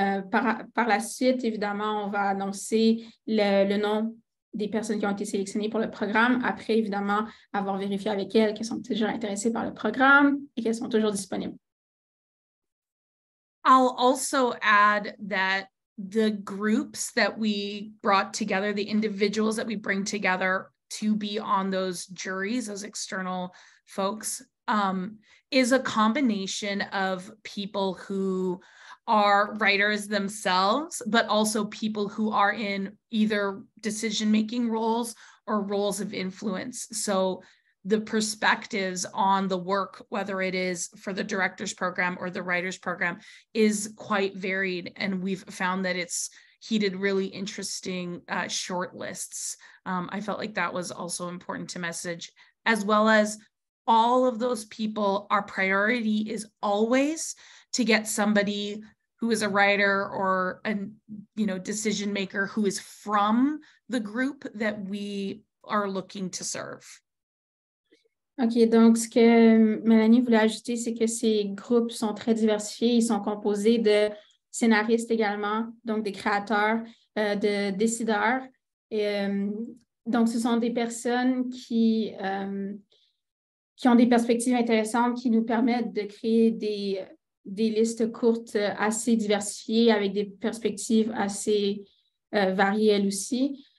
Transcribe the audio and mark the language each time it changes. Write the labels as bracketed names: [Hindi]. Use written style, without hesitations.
[French] Par la suite, évidemment, on va annoncer le nom des personnes qui ont été sélectionnées pour le programme après, évidemment, avoir vérifié avec elles qu'elles sont toujours intéressées par le programme et qu'elles sont toujours disponibles. [English] I'll also add that the groups that we brought together, the individuals that we bring together to be on those juries, those external folks, is a combination of people who are writers themselves, but also people who are in either decision-making roles or roles of influence. So the perspectives on the work, whether it is for the director's program or the writer's program, is quite varied. And we've found that it's heated really interesting short lists. I felt like that was also important to message, as well as all of those people. Our priority is always to get somebody who is a writer or a decision maker who is from the group that we are looking to serve. [French] OK, donc ce que Mélanie voulait ajouter, c'est que ces groupes sont très diversifiés. Ils sont composés de scénaristes également, donc des créateurs, de décideurs. Donc ce sont des personnes qui ont des perspectives intéressantes qui nous permettent de créer des listes courtes assez diversifiées avec des perspectives assez variées elles aussi.